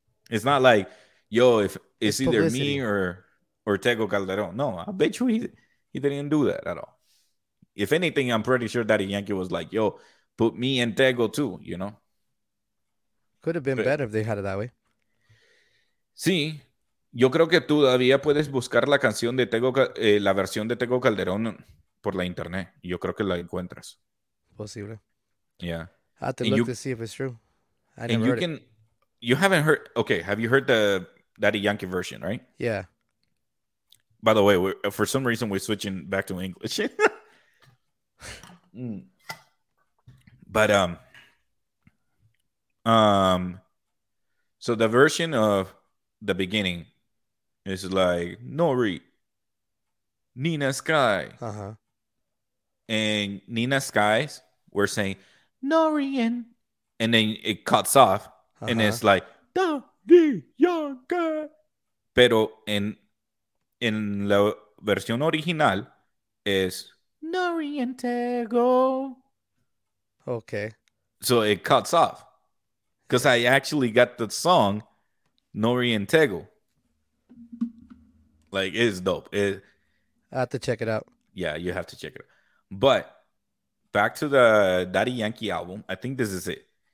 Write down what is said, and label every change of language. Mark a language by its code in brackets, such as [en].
[en] It's not like, yo, if it's either me or Tego Calderón. No, I bet you he didn't do that at all. If anything, I'm pretty sure Daddy Yankee was like, yo, put me and Tego too, you know? Could have been better if they had it that way. [es] Sí. Yo creo que tú todavía puedes buscar la canción de Tego, la versión de Tego Calderón por la internet. Yo creo que la encuentras. Posible. [en] Yeah. I have to and look to see if it's true. You haven't heard. Okay. Have you heard the Daddy Yankee version, right? Yeah. By the way, for some reason, we're switching back to English. But, so the version of the beginning is like Nori, Nina Sky. Uh-huh. And Nina Skies were saying, Norian. And then it cuts off. Uh-huh. And it's like, Daddy Yankee. [es] Pero en la versión original es Norian Tego. [en] Okay. So it cuts off. Because I actually got the song Norian Tego. Like, it's dope. I have to check it out. Yeah, you have to check it out. But back to the Daddy Yankee album. I think this is it.